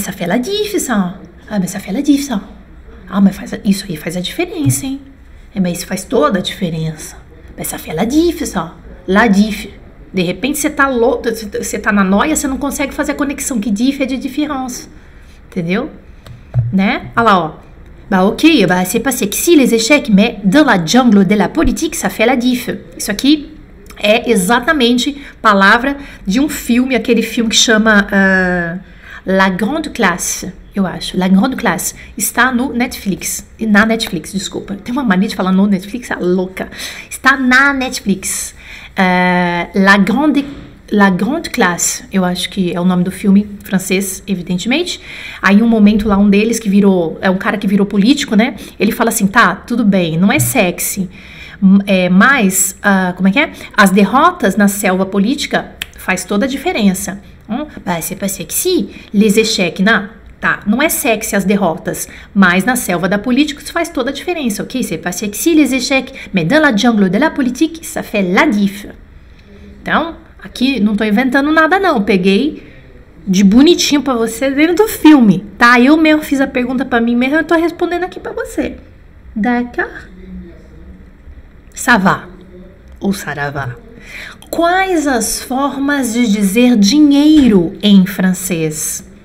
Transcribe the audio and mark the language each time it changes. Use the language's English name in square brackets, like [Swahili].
[French] Mais ça fait la dif, ça. Ah, mais ça fait la dif, ça. [Portuguese] Ah, mas faz, isso aí faz a diferença, hein? É, mas isso faz toda a diferença. [French] Mais ça fait la dif, ça. [Portuguese] Lá dif. De repente você tá louco, você tá na noia, você não consegue fazer a conexão que dif é de différence. Entendeu? Né? Olha lá, ó. [French] Bah, ok, bah, c'est passé que si les échecs, mais dans la jungle de la politique, ça fait la dif. [Portuguese] Isso aqui é exatamente palavra de um filme, aquele filme que chama La Grande Classe, eu acho. La Grande Classe. Está no Netflix. Na Netflix, desculpa. Tem uma mania de falar no Netflix, a louca. Está na Netflix. La Grande Classe, eu acho que é o nome do filme francês, evidentemente. Aí um momento lá, um deles que virou, é um cara que virou político, né? Ele fala assim, tá, tudo bem, não é sexy, é, mas como é que é? As derrotas na selva política faz toda a diferença. [French] Bah, c'est pas sexy, les échecs, [Portuguese] não. Tá, não é sexy as derrotas, mas na selva da política isso faz toda a diferença, ok? [French] C'est pas sexy les échecs, mais dans la jungle de la politique, ça fait la diff. [Portuguese] Então, aqui não tô inventando nada não, peguei de bonitinho para você dentro do filme, tá? Eu mesmo fiz a pergunta para mim mesmo, eu tô respondendo aqui para você. D'accord? Ça va ou saravá? quais as formas de dizer dinheiro em francês?